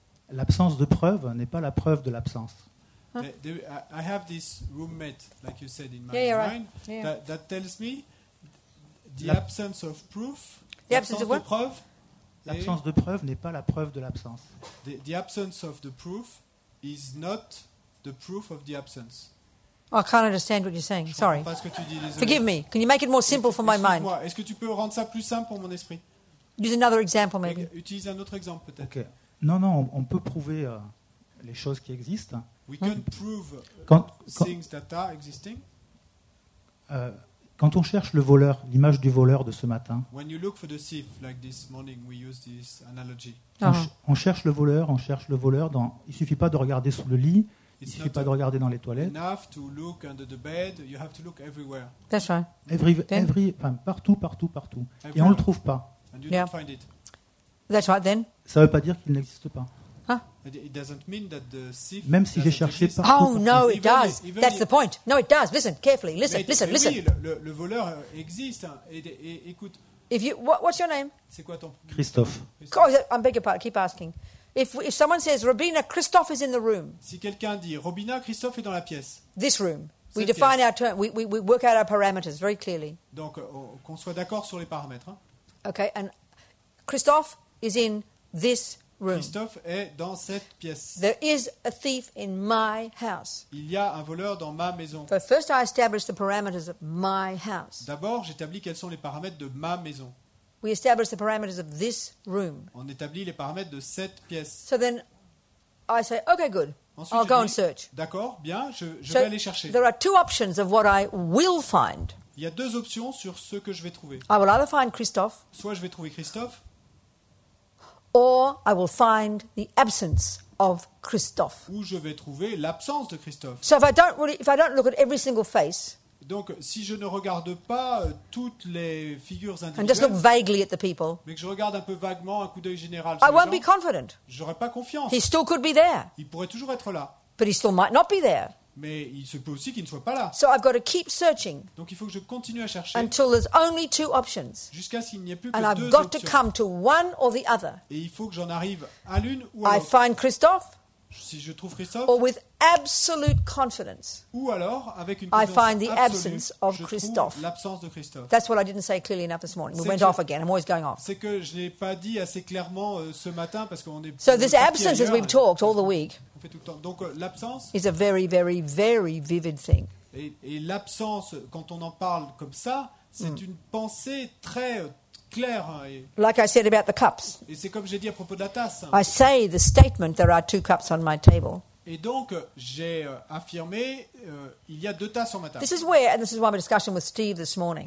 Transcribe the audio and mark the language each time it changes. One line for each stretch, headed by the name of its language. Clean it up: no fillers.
French: L'absence de preuve n'est pas la preuve de l'absence.
English: I have this roommate, like you said in my mind, that tells me the absence of proof. The absence of what?
French: Preuve, l'absence de preuve n'est pas la preuve de l'absence.
English: The absence of the proof is not the proof of the absence. Oh, I can't understand what you're saying. Sorry.
French: Pas ce que tu dis, désolé.
English: Forgive me. Can you make it more simple for my mind?
French: Est-ce que tu peux rendre ça plus simple pour mon esprit?
English: Use another example, maybe.
French: Utilise un autre exemple, peut-être.
English: Okay.
French: Non, non, on peut prouver les choses qui existent.
English: We can prove things that are existing.
French: Quand on cherche le voleur, l'image du voleur de ce matin.
English: When you look for the thief, like this morning, we use this analogy.
French: On cherche le voleur. Il suffit pas de regarder sous le lit. Il suffit pas de regarder dans les toilettes.
English: Enough to look under the bed. You have to look everywhere. That's right.
French: Partout.
English: Everywhere.
French: Et on le trouve pas.
English: And you don't find it. That's right. Then.
French: Ça veut pas dire qu'il n'existe pas.
English: It doesn't mean that the thief.
French: Même si j'ai cherché partout.
English: Oh no, it does. That's the point. No, it does. Listen carefully. Listen.
French: Oui, le voleur existe. Écoute.
English: If you, what's your name?
French: C'est quoi ton Christophe.
English: Christophe. I'm bigger part. Keep asking. If someone says Robina, Christophe is in the room.
French: Si quelqu'un dit Robina, Christophe est dans la pièce.
English: This room. We define our term. We work out our parameters very clearly.
French: Donc, qu'on soit d'accord sur les paramètres. Hein.
English: Okay, and Christophe is in this room.
French: Christophe est dans cette pièce.
English: There is a thief in my house.
French: Il y a un voleur dans ma maison.
English: So first, I establish the parameters of my house.
French: D'abord, j'établis quels sont les paramètres de ma maison.
English: We establish the parameters of this room.
French: On établit les paramètres de cette pièce.
English: So then, I say, okay, good.
French: Ensuite,
English: I'll go and search.
French: D'accord, bien, je vais aller chercher.
English: There are two options of what I will find.
French: Il y a deux options sur ce que je vais trouver.
English: I will either find Christophe.
French: Soit je vais trouver Christophe.
English: Or I will find the absence of Christophe.
French: Ou je vais trouver l'absence de Christophe.
English: So if I don't look at every single face.
French: Donc si je ne regarde pas toutes les figures individuelles.
English: And just look vaguely at the people.
French: Mais que je regarde un peu vaguement, un coup d'œil général sur les gens.
English: I won't be confident.
French: J'aurai pas confiance.
English: He still could be there.
French: Il pourrait toujours être là.
English: But he still might not be there.
French: Mais il se peut aussi qu'il ne soit pas là.
English: So I've got to keep searching.
French: Donc il faut que je continue à chercher.
English: Until there's only two options.
French: Jusqu'à ce qu'il n'y ait plus
English: and
French: que
English: I've
French: deux
English: got
French: options.
English: To come to one or the other.
French: Et il faut que j'en arrive à l'une ou à l'autre.
English: I find Christophe.
French: Si je trouve Christophe,
English: or with absolute confidence,
French: ou alors avec une
English: I find the
French: absolue,
English: absence of Christophe.
French: L'absence de Christophe.
English: That's what I didn't say clearly enough this morning. We went off again. I'm always going off.
French: C'est que je l'ai pas dit assez clairement ce matin parce qu'on est.
English: So this absence,
French: ailleurs,
English: as we've talked all the week,
French: on fait tout le temps. Donc l'absence
English: is a very, very, very vivid thing.
French: Et l'absence, quand on en parle comme ça, c'est une pensée très claire.
English: Like I said about the cups.
French: Et c'est comme j'ai dit à propos de la tasse.
English: I say the statement there are two cups on my table.
French: Et donc j'ai affirmé il y a deux tasses sur ma table.
English: This is where and this is why my discussion with Steve this morning.